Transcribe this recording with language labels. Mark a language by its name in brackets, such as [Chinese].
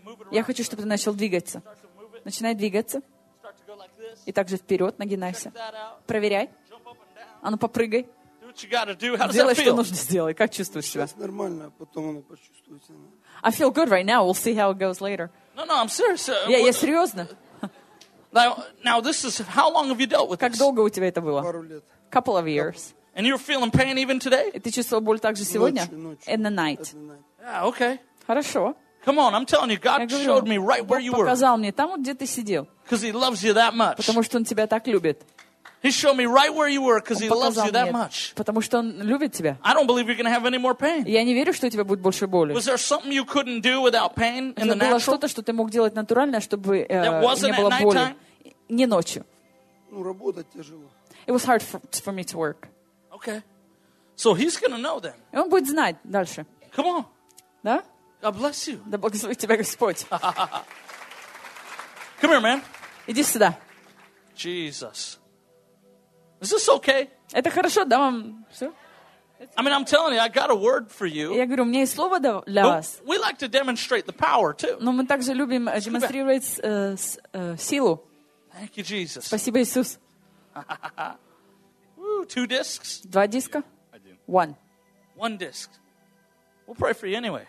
[Russian] Я хочу, чтобы ты начал двигаться. Начинай двигаться. И также вперед, нагинайся. Проверяй. А ну попрыгай. Делай, что нужно сделать. Как чувствуешь себя? Сейчас нормально, а потом оно почувствуется. [English] I feel good right now. We'll see how it goes later. No, I'm serious. [Russian] Я серьезно. [English] Now, this is, how long have you dealt with this? [Russian] Как долго у тебя это было? Пару лет. [English] Couple of years. And you're feeling pain even today? [Russian] И ты чувствовал боль также сегодня? Ночью. [English] In the night. Yeah, okay. [Russian] Хорошо. [English] Come on, I'm telling you, God showed me right where you were. [Russian] Бог показал мне там, где ты сидел. [English] Because he loves you that much. [Russian] Потому что он тебя так любит. [English] He showed me right where you were because he loves you that much. [Russian] Потому что он любит тебя. [English] I don't believe you're going to have any more pain. [Russian] Я не верю, что у тебя будет больше боли. [English] Was there something you couldn't do without pain in the natural? [Russian] Было что-то, что ты мог делать натурально, чтобы не было боли. Не ночью. Ну, работать тяжело. [English] It was hard for me to work. Okay. So he's going to know then. [Russian] И он будет знать дальше. [English] Come on. [Russian] Да? [English] God bless you. [Russian] Да благословит тебя Господь. [English] Come here, man. [Russian] Иди сюда. [English] Jesus. Is this okay? [Russian] Это хорошо, да, вам все? [English] I mean, I'm telling you, I got a word for you. [Russian] Я говорю, у меня есть слово для вас. [English] We like to demonstrate the power too. [Russian] Но мы также любим демонстрировать силу. [English] Thank you, Jesus. [Russian] Спасибо, Иисус. [English] Two discs. [Russian] Два диска. [English] One. One disc. We'll pray for you anyway.